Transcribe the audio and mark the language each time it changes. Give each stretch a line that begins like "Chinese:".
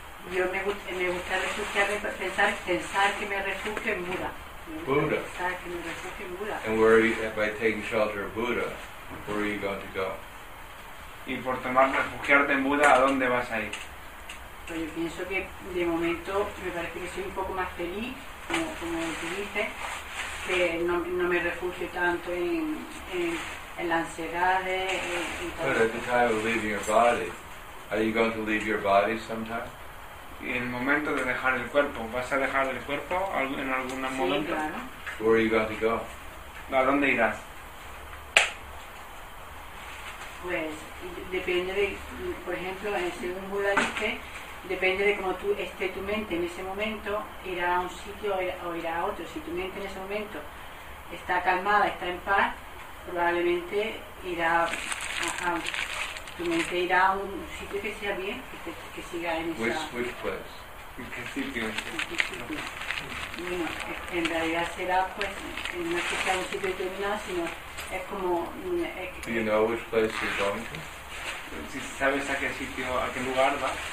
Spanish: Yo me gusta refugiarme, pensar que me refugio en Buda. Buddha. Pensar que me refugio en Buda.
English: And where are you, by taking shelter of Buddha, where are you going to go?
Spanish: Y por tomar refugiarte en Buda, ¿a dónde vas a ir?
English: Yeah.
Spanish: Pues yo pienso que de momento me parece que soy un poco más feliz, como tú dices, que no me refugio tanto en la ansiedad.
English: But at the time of leaving your body, are you going to leave your body sometime?
Spanish: En el momento de dejar el cuerpo, ¿vas a dejar el cuerpo en algún momento? Sí, claro.
English: Where are you going to go?
Spanish: ¿A dónde irás? Pues depende de, por ejemplo, según Buda dice, depende de cómo tú esté tu mente en ese momento, irá a un sitio o irá a otro. Si tu mente en ese momento está calmada, está en paz, probablemente irá a tu mente irá a un sitio que sea bien, que siga en esa.
English: Which place?
Spanish: ¿Qué sitio? Bueno, en realidad será pues no es que sea un sitio determinado, sino es como.
English: Do you know which place you're going to?
Spanish: Si sabes a qué sitio, a qué lugar va.